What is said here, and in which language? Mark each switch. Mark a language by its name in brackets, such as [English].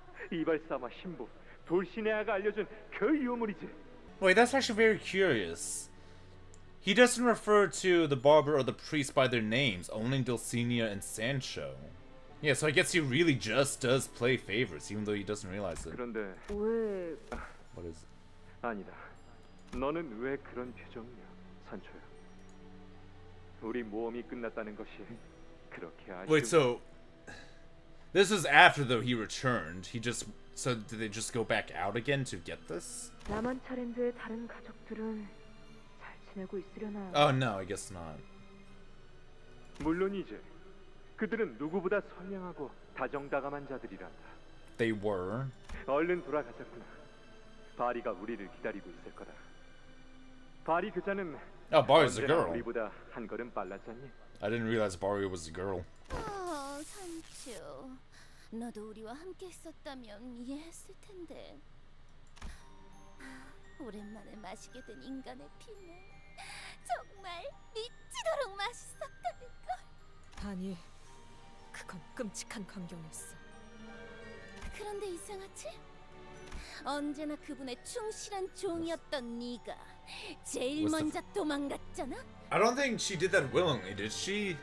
[Korean] 이발사마 신부 돌시네아가 알려준 그 유물이지. [English] Wait, that's actually very curious. He doesn't refer to the barber or the priest by their names, only Dulcinea and Sancho. Yeah, so I guess he really just does play favors, even though he doesn't realize it. [Korean] 그런데 왜? [English] What is it? [Korean] 아니다. 너는 왜 그런 표정이야, 산초야? 우리 모험이 끝났다는 것이 그렇게 아쉬운. [English] Wait, so this was after though he returned. He just so did they just go back out again to get this? [Korean] 라만 차렌드의 다른 가족들은. [English] Oh no, I guess not. [Korean] 물론이지. 그들은 누구보다 선량하고 다정다감한 자들이란다. [English] They were. [Korean] 얼른 돌아가자꾸나. 바리가 우리를 기다리고 있을 거다. 바리 그 자는 [English] Oh, Bari's a girl. [Korean] 우리보다 한 걸음 빨랐잖니. [English] I didn't realize Bari was a girl. [Korean] 산초, 너도 우리와 함께 있었다면 이해했을 텐데. 오랜만에 마시게 된 인간의 피는 정말 미치도록 맛있었다니까. 아니, 그건 끔찍한 광경이었어. 그런데 이상하지? 언제나 그분의 충실한 종이었던 네가 제일 먼저 도망갔잖아. [English] I don't think she did that willingly, did she?